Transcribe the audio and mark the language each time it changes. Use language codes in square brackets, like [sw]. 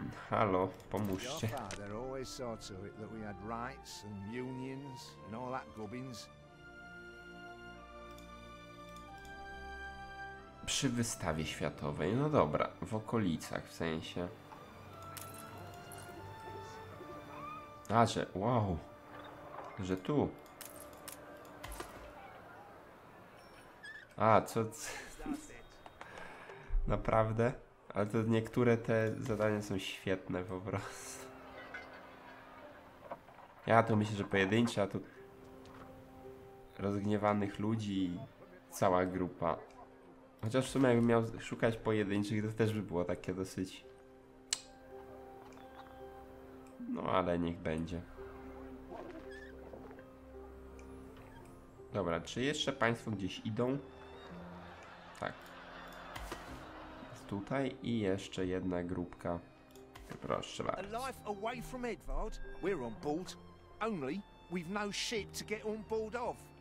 [pl] Halo, pomóżcie. [en] Your father always saw to it that we had rights and unions and all that gubbins. [pl] Przy wystawie światowej, no dobra, w okolicach w sensie. A, że wow, że tu. A, co? Naprawdę? Ale to niektóre te zadania są świetne po prostu. Ja tu myślę, że pojedyncze, a tu rozgniewanych ludzi i cała grupa. Chociaż w sumie jakbym miał szukać pojedynczych, to też by było takie dosyć. No ale niech będzie. Dobra, czy jeszcze państwo gdzieś idą? Tak. Tutaj i jeszcze jedna grupka. Proszę bardzo. [en] A life away from Edvard. We're on board. Only we've no ship to get on board of.